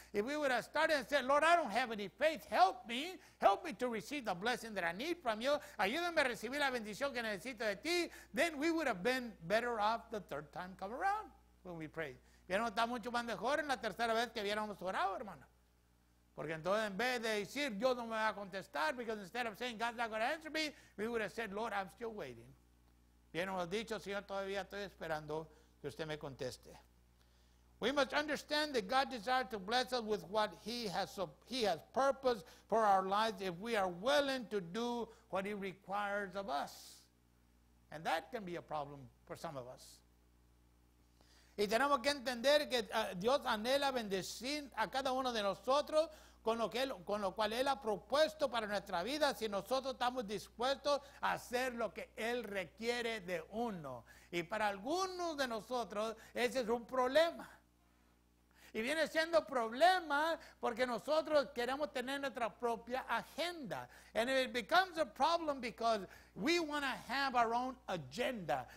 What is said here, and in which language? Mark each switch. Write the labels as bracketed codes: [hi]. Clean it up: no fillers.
[en] If we would have started and said, Lord, I don't have any faith, help me to receive the blessing that I need from you, [es] ayúdame a recibir la bendición que necesito de ti, [en] then we would have been better off the third time come around when we prayed. [es] Hubiéramos estado mucho más mejor en la tercera vez que hubiéramos orado, hermano. Porque entonces en vez de decir, Dios no me va a contestar, [en] because instead of saying, God's not going to answer me, we would have said, Lord, I'm still waiting. [es] Bien, hemos dicho, Señor, todavía estoy esperando que usted me conteste. [en] We must understand that God desires to bless us with what he has purposed for our lives if we are willing to do what he requires of us. And that can be a problem for some of us. [es] Y tenemos que entender que Dios anhela bendecir a cada uno de nosotros con lo cual Él ha propuesto para nuestra vida si nosotros estamos dispuestos a hacer lo que Él requiere de uno. Y para algunos de nosotros ese es un problema. Y viene siendo problema porque nosotros queremos tener nuestra propia agenda. [en] And it becomes a problem because we want to have our own agenda.